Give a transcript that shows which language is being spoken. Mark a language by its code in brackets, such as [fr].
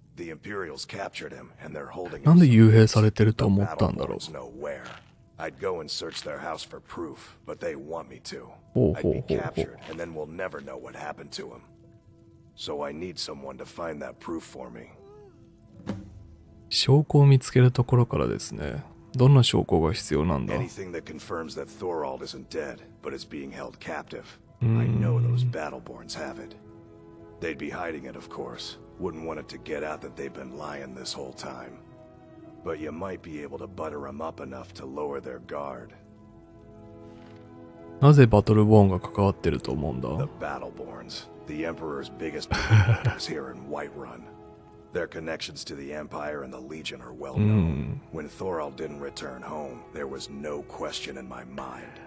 [en] The Imperials captured him and they're holding him. The Battleborn's nowhere. I'd go and search their house for proof, but they want me to. I'd be captured and then we'll never know what happened to him. So I need someone to find that proof for me. [ja] 証拠を見つけるところからですね。どんな証拠が必要なんだ？ [en] Anything that confirms that Thorold isn't dead, but is being held captive. I know those Battleborns have it. They'd be hiding it, of course. Wouldn't want it to get out that they've been lying this whole time. But you might be able to butter them up enough to lower their guard. [ja] なぜバトルボーンが関わってると思うんだ？ [en] The Battleborns, the Emperor's biggest players here in Whiterun. Their connections to the Empire and the Legion are well known. When Thorold didn't return home, there was no question in my mind.